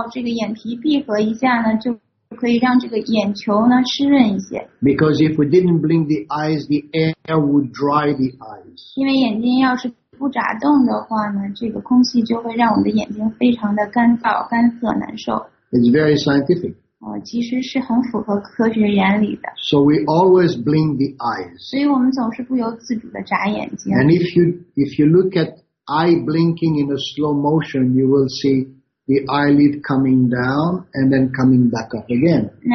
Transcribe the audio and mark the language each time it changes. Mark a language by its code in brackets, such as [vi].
[zh] 因为这个眼球呢，这个眼睛眨一下的时候，这个眼皮闭合一下呢，就 [en] Because if we didn't blink the eyes, the air would dry the eyes. [zh] 因为眼睛要是不眨动的话呢，这个空气就会让我们的眼睛非常的干燥、干涩、难受。 [en] It's very scientific. [zh] 其实是很符合科学原理的。 [en] So we always blink the eyes. [zh] 所以我们总是不由自主的眨眼睛。 [en] And if you look at eye blinking in a slow motion, you will see the eyelid coming down and then coming back up again.